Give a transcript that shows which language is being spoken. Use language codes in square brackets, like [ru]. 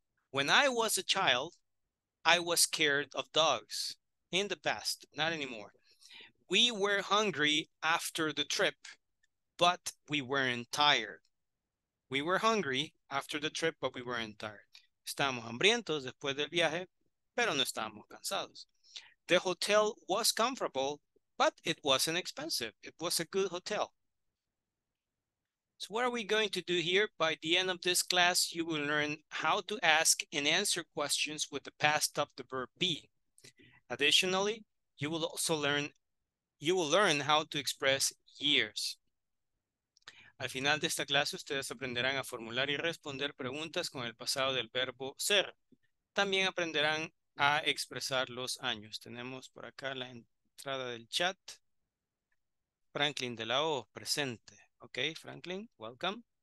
[en] When I was a child, I was scared of dogs. In the past, not anymore. We were hungry after the trip, but we weren't tired. We were hungry after the trip, but we weren't tired. [es] Estamos hambrientos después del viaje, pero no estamos cansados. [en] The hotel was comfortable, but it wasn't expensive. It was a good hotel. So what are we going to do here? By the end of this class, you will learn how to ask and answer questions with the past of the verb be. Additionally, you will also learn, you will learn how to express years. [es] Al final de esta clase, ustedes aprenderán a formular y responder preguntas con el pasado del verbo ser. También aprenderán a expresar los años. Tenemos por acá la entrada del chat. [en] Franklin de la O, presente. Okay, Franklin, welcome.